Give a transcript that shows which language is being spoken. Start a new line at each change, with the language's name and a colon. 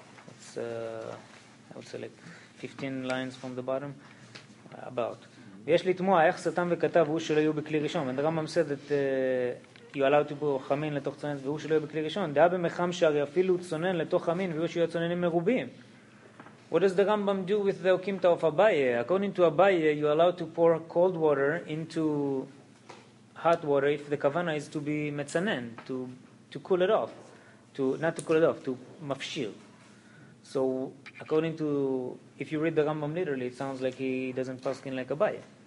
English: It's, I would say like 15 lines from the bottom, about.
Hebrew: ויש לתמוע איך סתם וכתב והוא שלא יהיו בכלי ראשון.
English: And the Rambam said that you allowed to put חמין לתוך צונן
Hebrew: והוא שלא יהיו בכלי ראשון. דעה במחם שערי אפילו צונן לתוך חמין והוא שיהיו הצוננים מרובים.
English: What does the Rambam do with the Okimta of Abaye? According to Abaye, you allowed to pour cold water into hot water if the kavana is to be מצנן, to cool it off. Not to cool it off, to מפשיר. So according to, if you read the Rambam literally, it sounds like he doesn't pass in like a bayah.